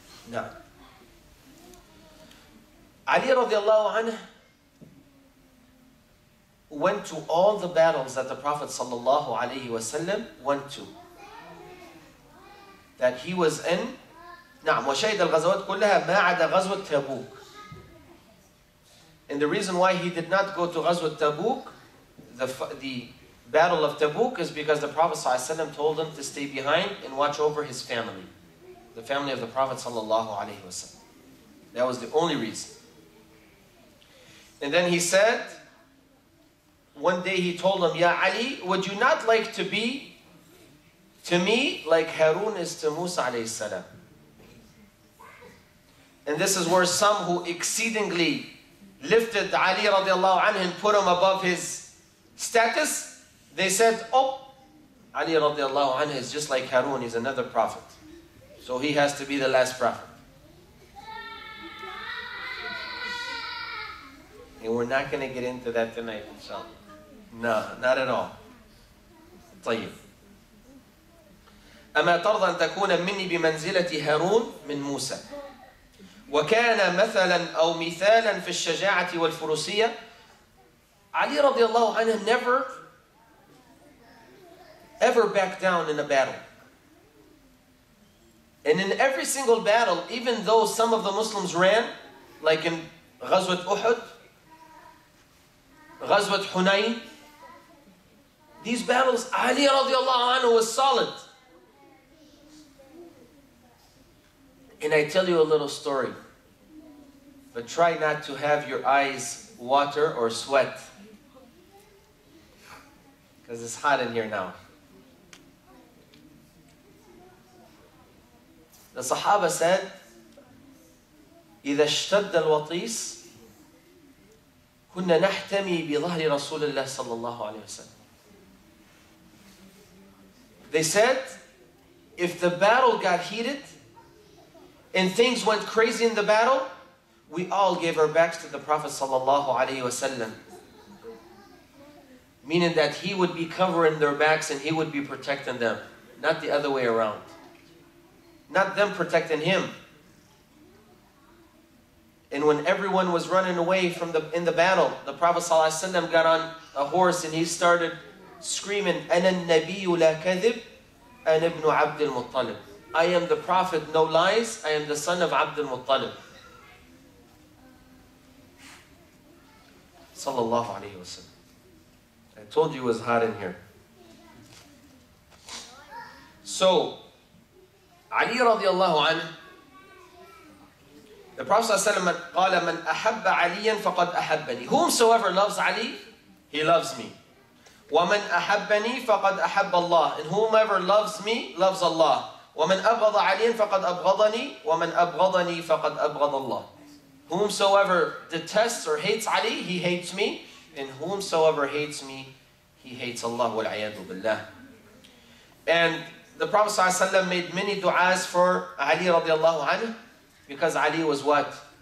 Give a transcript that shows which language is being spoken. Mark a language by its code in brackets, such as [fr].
[en] No. Ali radiallahu anhu went to all the battles that the Prophet sallallahu alayhi wa sallam went to. That he was in. [ar] نعم وشهد الغزوات كلها ما عدا غزوة تبوك. [en] And the reason why he did not go to غزوة تبوك, the battle of Tabuk, is because the Prophet sallallahu alayhi wa sallam told him to stay behind and watch over his family. The family of the Prophet sallallahu alayhi wa sallam. That was the only reason. And then he said, one day he told him, Ya Ali, would you not like to be to me like Harun is to Musa alayhi salam? And this is where some who exceedingly lifted Ali radiallahu anhu and put him above his status, they said, oh, Ali radiallahu anhu is just like Harun, he's another prophet. So he has to be the last prophet. And we're not going to get into that tonight, inshallah. No, not at all. طيب. [ar] أما ترضى أن تكون مني بمنزلة هارون من موسى وكان مثلا أو مثالا في الشجاعة والفروسية. [en] علي رضي الله عنه never ever backed down in a battle. And in every single battle, even though some of the Muslims ran, like in غزوة أحد, غزوة حنين, these battles, Ali radiallahu anhu was solid. And I tell you a little story. But try not to have your eyes water or sweat. Because it's hot in here now. The Sahaba said, [ar] إذا اشتد الوطيس كنا نحتمي بظهر رسول الله صلى الله عليه وسلم. [en] They said, if the battle got heated and things went crazy in the battle, we all gave our backs to the Prophet sallallahu alayhi wa sallam. Meaning that he would be covering their backs and he would be protecting them. Not the other way around. Not them protecting him. And when everyone was running away from in the battle, the Prophet sallallahu alayhi wa sallam got on a horse and he started screaming, [ar] أَنَا النَّبِيُّ لَا كَذِبْ أَنَا ابْنُ عَبْدِ الْمُطَّلِبِ. [en] I am the Prophet, no lies, I am the son of Abdul Muttalib. Sallallahu alayhi wa sallam. I told you it was hot in here. So, Ali radiallahu anhu, The Prophet ﷺ [ar] قال من أحب عليا فقد أحبني. [en] Whomsoever loves Ali, he loves me. [ar] ومن أحبني فقد أحب الله. [en] And whomever loves me, loves Allah. [ar] ومن أبغض عليا فقد أبغضني. ومن أبغضني فقد أبغض الله. [en] Whomsoever detests or hates Ali, he hates me. And whomsoever hates me, he hates Allah. [ar] والعياذ بالله. [en] And the Prophet ﷺ made many du'as for Ali رضي الله عنه. Because Ali was what?